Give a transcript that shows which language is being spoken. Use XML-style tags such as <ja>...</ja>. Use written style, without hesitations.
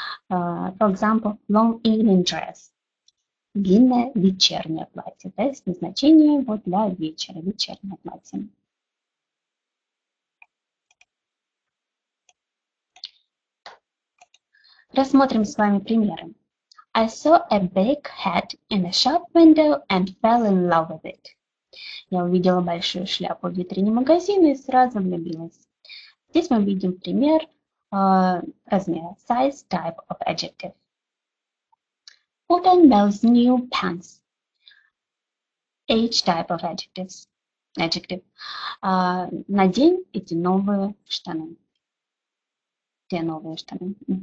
<en>For example, long evening dress.</en> <ru>Длинное вечернее платье. То есть назначение вот для вечера, вечернее платье. Рассмотрим с вами примеры.</ru> <en>I saw a big hat in a shop window and fell in love with it.</en> <ru>Я увидела большую шляпу в витрине магазина и сразу влюбилась. Здесь мы видим пример размера.</ru> <en>Size type of adjective. Put on those new pants. Age type of adjectives. Adjective.</en> <ru>Надень эти новые штаны. Те новые штаны.</ru>